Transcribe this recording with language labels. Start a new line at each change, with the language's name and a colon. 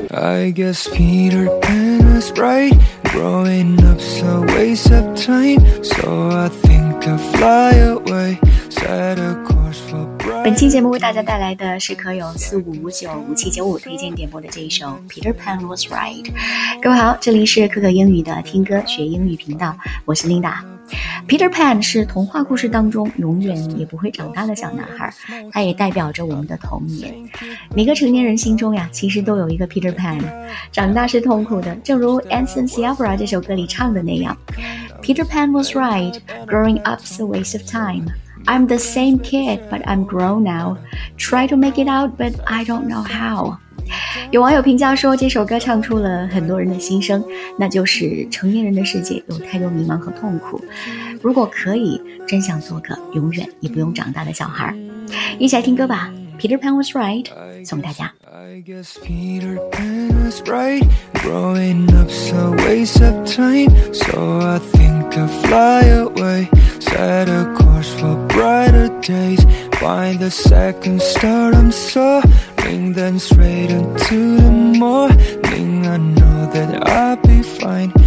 English: I guess Peter Pan was right. Growing up's a waste of time. So I think I'll fly away. Set a course for bright.
Chinese: 本期节目为大家带来的是可有4559-5795推荐点播的这一首 Peter Pan was right。各位好，这里是可可英语的听歌学英语频道，我是 Linda。 Peter Pan 是童话故事当中永远也不会长大的小男孩，他也代表着我们的童年。每个成年人心中呀，其实都有一个 Peter Pan。长大是痛苦的，正如 Anson Seabra 这首歌里唱的那样 ：
English: Peter Pan was right, growing up's a waste of time. I'm the same kid, but I'm grown now. Try to make it out, but I don't know how.
Chinese: 有网友评价说，这首歌唱出了很多人的心声，那就是成年人的世界有太多迷茫和痛苦，如果可以，真想做个永远也不用长大的小孩。一起来听歌吧， Peter Pan was right， 送给大家。
English: I guess Peter Pan was right. Growing up's a waste of time. So I think I'll fly away. Set a course for brighter days. Find the second star I'm sawThen straight into the morning, I know that I'll be fine.